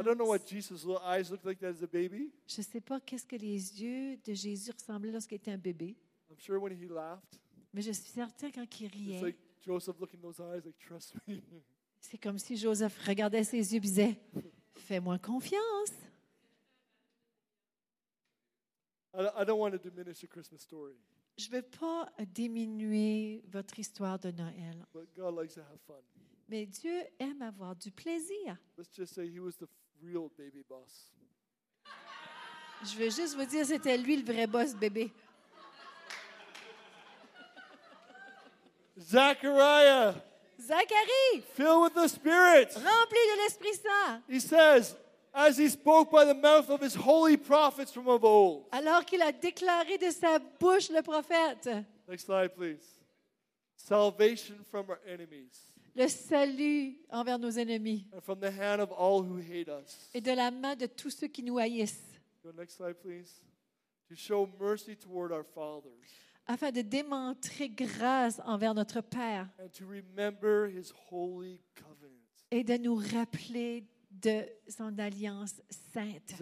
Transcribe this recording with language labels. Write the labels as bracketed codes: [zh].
[en] I don't know what Jesus' little eyes looked like as a baby. [fr] Je sais pas qu'est-ce que les yeux de Jésus ressemblaient lorsqu'il était un bébé. [en] I'm sure when he laughed. [fr] Mais je suis certain quand il riait. [en] It's like Joseph looking those eyes like trust me. [fr] C'est comme si Joseph regardait ses yeux et disait, fais-moi confiance. [en] I don't want to diminish the Christmas story. [fr] Je ne veux pas diminuer votre histoire de Noël. [en] But God likes to have fun. [fr] Mais Dieu aime avoir du plaisir. [en] Let's just say he was the real baby boss. [fr] Je veux juste vous dire, c'était lui le vrai boss bébé. [en] Zachariah. [fr] Zacharie, [en] filled with the Spirit, [fr] rempli de l'Esprit Saint. [en] He says, as he spoke by the mouth of his holy prophets from of old. [fr] Alors qu'il a déclaré de sa bouche le prophète. [en] Next slide, please. Salvation from our enemies. [fr] Le salut envers nos ennemis. [en] And from the hand of all who hate us. [fr] Et de la main de tous ceux qui nous haïssent. [en] Go next slide, please. To show mercy toward our fathers. [fr] Afin de démontrer grâce envers notre Père. [en] And to remember his holy covenant. [fr] Et de nous rappeler de son alliance sainte.